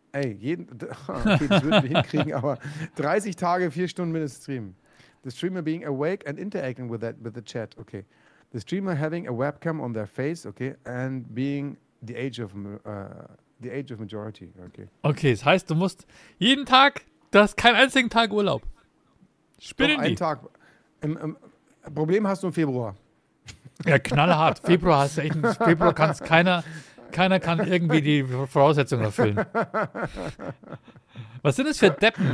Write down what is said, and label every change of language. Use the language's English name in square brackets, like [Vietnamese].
[German] Ey, jeden, okay, das würden wir hinkriegen, aber 30 Tage, 4 Stunden mindestens streamen. [English] The streamer being awake and interacting with that with the chat, okay. The streamer having a webcam on their face, okay, and being the age of majority, okay. [German] Okay, das heißt, du musst jeden Tag, du hast keinen einzigen Tag Urlaub. Spinnen die. Einen Tag. Problem hast du im Februar. Ja, knallhart. Februar hast du echt, Februar kann es keiner... Keiner kann irgendwie die Voraussetzungen erfüllen. Was sind das für Deppen?